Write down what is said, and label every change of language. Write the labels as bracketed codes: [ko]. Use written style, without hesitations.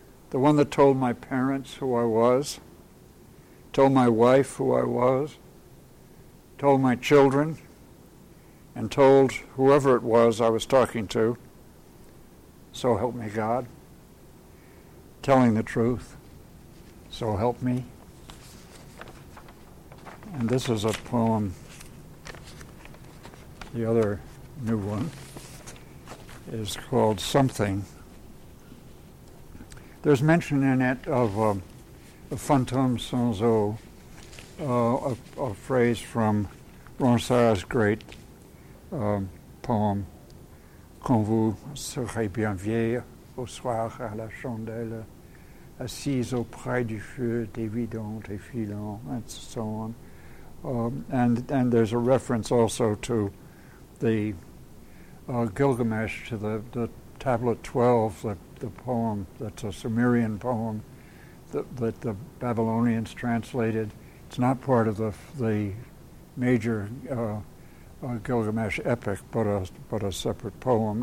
[en] The one that told my parents who I was, told my wife who I was, told my children, and told whoever it was I was talking to. So help me God. Telling the truth. So help me. And this is a poem, the other new one, is called Something. There's mention in it of a [fr] fantôme sans eau, [en] a phrase from Ronsard's great poem, [fr] Quand vous serez bien vieille au soir à la chandelle, assise auprès du feu, dévidant et filant, [en] and so on. And there's a reference also to the Gilgamesh, to the tablet 12 that the poem that's a Sumerian poem that the Babylonians translated. It's not part of the major Gilgamesh epic, but a separate poem.